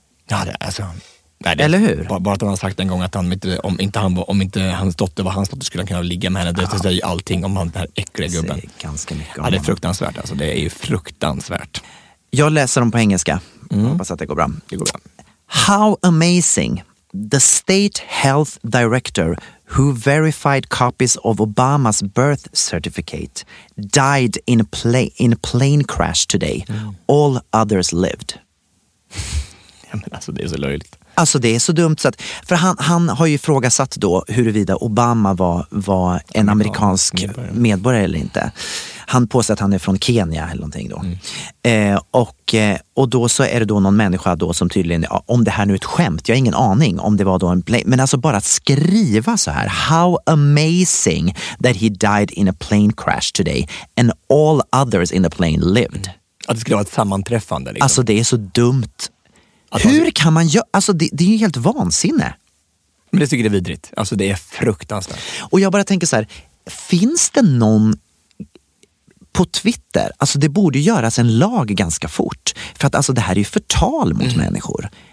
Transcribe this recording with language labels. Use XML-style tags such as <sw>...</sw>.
<sv>Ja, det, alltså, nej, det, eller hur? Bara att han har sagt en gång att han inte, om inte hans dotter var hans dotter skulle han kunna ligga med henne. Det säger ju allting om han, den här äckliga gubben. säger ganska mycket om det är fruktansvärt, alltså. Det är ju fruktansvärt. Jag läser dem på engelska. Hoppas att det går bra. Det går bra.</sv> <en>How amazing. The state health director who verified copies of Obama's birth certificate died in a plane crash today. All others lived.</en> <sv>Ja, men alltså, det är så löjligt. Alltså det är så dumt. Så att, för han har ju frågasatt då huruvida Obama var en amerikansk medborgare eller inte. Han påstår att han är från Kenya eller någonting då. Mm. Och då så är det då någon människa då som tydligen, ja, om det här nu är ett skämt, jag har ingen aning om det var då en plane. Men alltså bara att skriva så här,</sv> <en>how amazing that he died in a plane crash today and all others in the plane lived.</en> <sv>Att det skulle vara ett sammanträffande. Liksom. Alltså det är så dumt. Hur kan man göra? Alltså det är ju helt vansinne. Men det tycker jag är vidrigt. Alltså det är fruktansvärt. Och jag bara tänker så här, finns det någon på Twitter? Alltså det borde göras en lag ganska fort. För att alltså det här är ju förtal mot människor.</sv>